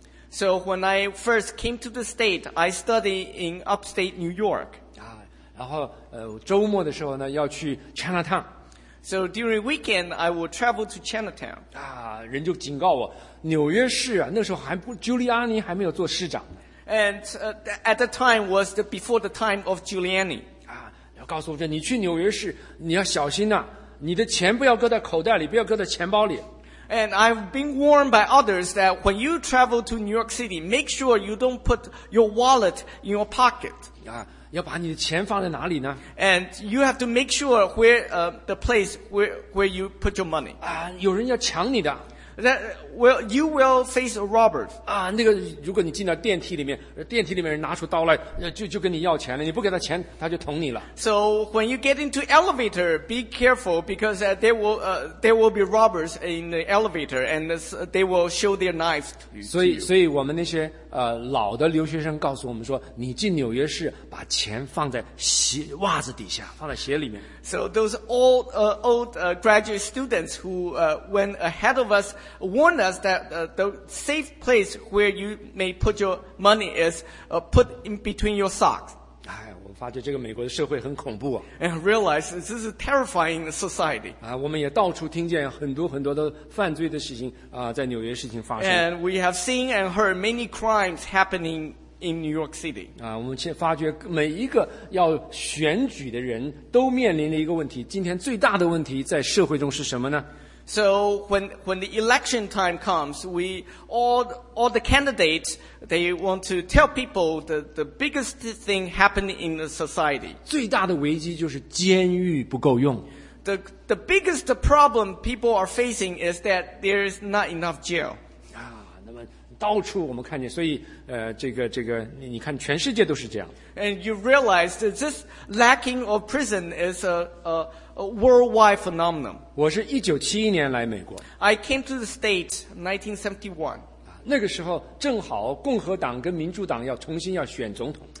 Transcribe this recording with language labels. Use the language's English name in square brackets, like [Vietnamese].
[English] So when I first came to the state, I studied in upstate New York. [Chinese] 然后周末的时候呢，要去 Chinatown。 [English] So during weekend, I will travel to Chinatown. [Chinese] 啊，人就警告我，纽约市啊，那时候还不，朱利安尼还没有做市长。 [English] And at the time was the before the time of Giuliani. [Chinese] 啊，要告诉我，你去纽约市，你要小心呐、啊，你的钱不要搁在口袋里，不要搁在钱包里。 [English] And I've been warned by others that when you travel to New York City, make sure you don't put your wallet in your pocket. [Chinese] 啊，要把你的钱放在哪里呢 [English] ？And you have to make sure where the place where you put your money. [Chinese] 啊，有人要抢你的。 [English] That well, you will face a robber. [Chinese] 啊，那个如果你进到电梯里面，电梯里面人拿出刀来，就跟你要钱了。你不给他钱，他就捅你了。 [English] So when you get into elevator, be careful because there will be robbers in the elevator, and they will show their knives to you. [Chinese] 所以我们那些老的留学生告诉我们说，你进纽约市，把钱放在鞋袜子底下，放在鞋里面。 [English] So those old graduate students who went ahead of us warned us that the safe place where you may put your money is put in between your socks. [Chinese] 哎，我发觉这个美国的社会很恐怖啊。 [English] And I realize this is a terrifying society. [Chinese] 啊，我们也到处听见很多很多的犯罪的事情啊，在纽约事情发生。 [English] And we have seen and heard many crimes happening in New York City. [Chinese] 啊，我们发觉每一个要选举的人都面临了一个问题。今天最大的问题在社会中是什么呢？ [English] So when the election time comes, we all the candidates they want to tell people the biggest thing happening in the society. [Chinese] 最大的危机就是监狱不够用。 [English] The biggest problem people are facing is that there is not enough jail. [Chinese] 啊，那么到处我们看见，所以这个你看全世界都是这样。 [English] And you realize that this lacking of prison is a worldwide phenomenon. [Chinese] 我是1971年来美国。 [English] I came to the States 1971. [Chinese] 那个时候正好共和党跟民主党要重新要选总统。